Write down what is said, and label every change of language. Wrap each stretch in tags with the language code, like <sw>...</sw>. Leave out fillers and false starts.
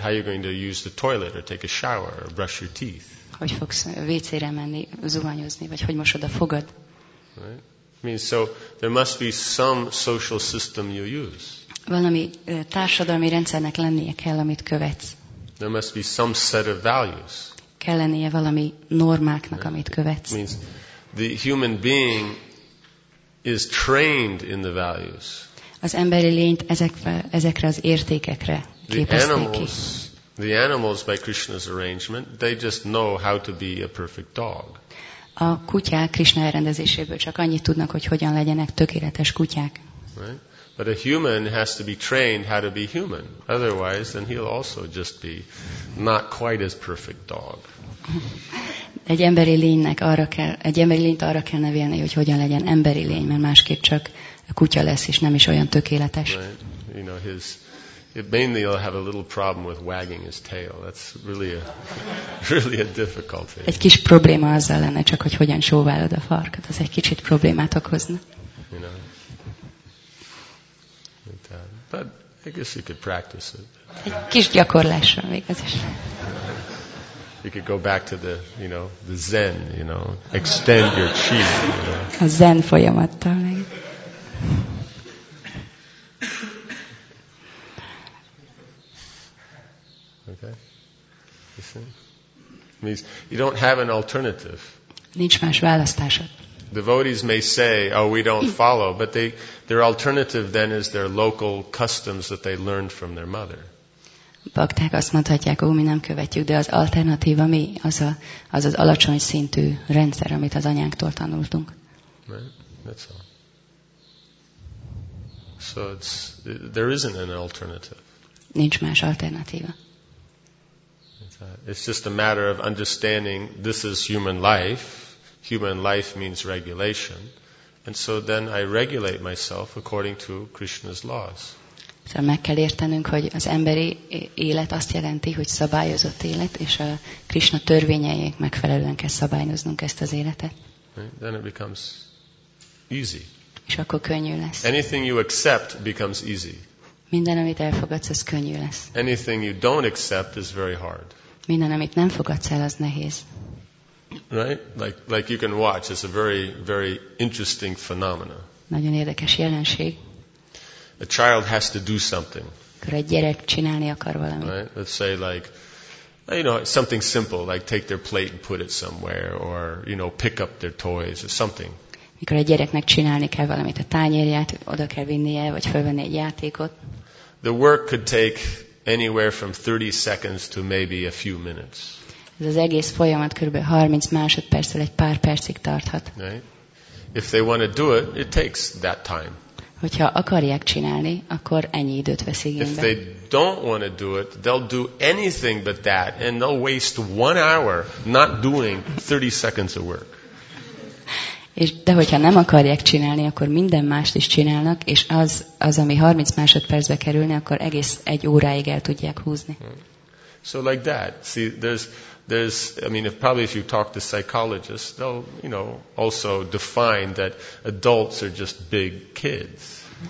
<en>How you going to use the toilet or take a shower or brush your teeth?</en> <hu>Hogy fogsz WC-re menni, zuhanyozni, vagy hogy mosod a fogad?</hu> <en>Right? I mean, so there must be some social system you use.</en> <hu>Valami társadalmi rendszernek lennie kell, amit követsz.</hu> <en>There must be some set of values.</en> <hu>Kell lennie valami normáknak, yeah, amit követsz.</hu> <en>It means the human being is trained in the values.</en> <hu>az emberi lényt ezekre az értékekre képezték ki.</hu> <en>The animals, by Krishna's arrangement, they just know how to be a perfect dog.</en> <hu>A kutyák Krishna elrendezéséből csak annyit tudnak, hogy hogyan legyenek tökéletes kutyák.</hu> <en>Right? But a human has to be trained how to be human. Otherwise, then he'll also just be not quite as perfect dog.</en> <hu>Egy emberi lényt arra kell nevelni, hogy hogyan legyen emberi lény, mert másképp csak kutya lesz, és nem is olyan tökéletes.</hu> <en>Right? You know, mainly he'll have a little problem with wagging his tail. That's really a difficult thing.</en> <hu>Egy kis probléma azzal lenne, csak hogy hogyan sóválod a farkat. Az egy kicsit problémát okozna.</hu> <en>You know? But I guess you could practice it.</en> <hu>Egy kis gyakorlásra még az is.</hu> <en>You could go back to the Zen, you know, extend your chi. You know?</en> <hu>A Zen folyamattal meg.</hu> <en>Okay. You see? Means you don't have an alternative.</en> <hu>Nincs más választásod.</hu> <en>Devotees may say, oh, we don't follow, but their alternative then is their local customs that they learned from their mother.</en> <hu>Bakták azt mondhatják, ó, mi nem követjük, de az alternatíva mi? Az az alacsony szintű rendszer, amit az anyánktól tanultunk.</hu> <en>Right? That's all. So there isn't an alternative.</en> <hu>Nincs más alternatíva.</hu> <en>It's just a matter of understanding this is human life. Human life means regulation. And so then I regulate myself according to Krishna's laws.</en> <hu>Szóval meg kell értenünk, hogy az emberi élet azt jelenti, hogy szabályozott élet, és a Krishna törvényeinek megfelelően kell szabályoznunk ezt az életet.</hu> <en>Right? Then it becomes easy.</en> <hu>És akkor könnyű lesz.</hu> <en>Anything you accept becomes easy.</en> <hu>Minden, amit elfogadsz, az könnyű lesz.</hu> <en>Anything you don't accept is very hard.</en> <hu>Minden, amit nem fogadsz el, az nehéz.</hu> <en>Right? Like you can watch, it's a very, very interesting phenomena.</en> <hu>Nagyon érdekes jelenség.</hu> <en>A child has to do something.</en> <hu>Akkor egy gyerek csinálni akar valamit.</hu> <en>Right? Let's say something simple, like take their plate and put it somewhere, or, you know, pick up their toys, or something.</en> <hu>Mikor egy gyereknek csinálni kell valamit, a tányérját oda kell vinnie, vagy fölvenni egy játékot.</hu> <en>The work could take anywhere from 30 seconds to maybe a few minutes.</en> <hu>Ez az egész folyamat kb. 30 másodperccel egy pár percig tarthat.</hu> <en>Right? If they want to do it, it takes that time.</en> <hu>Hogyha akarják csinálni, akkor ennyi időt vesz igénybe.</hu> <en>If they don't want to do it, they'll do anything but that, and they'll waste 1 hour not doing 30 seconds of work.</en> <hu>De hogyha nem akarják csinálni, akkor minden mást is csinálnak, és az ami 30 másodpercbe kerülne, akkor egész egy óráig el tudják húzni.</hu> <en>So like that. See, there's I mean, probably if you talk to psychologists, they'll, you know, also define that adults are just big kids.</en>